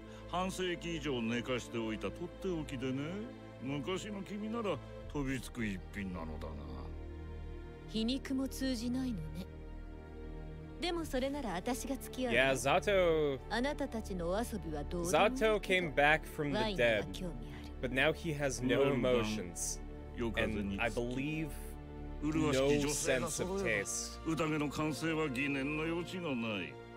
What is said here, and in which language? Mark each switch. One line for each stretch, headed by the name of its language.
Japanese: 半世紀以上寝かしておいたとっておきでね。昔の君なら飛びつく一品なのだな。皮肉も通じないのね。でもそれなら私が付き合う。
English: Yeah, Zato.
Japanese: あなたたちのお遊びはどうでもいい。
English: Zato came back from the dead, but now he has no emotions, and I believe no sense of taste.
Japanese: 宴の完成は疑念の余地がない。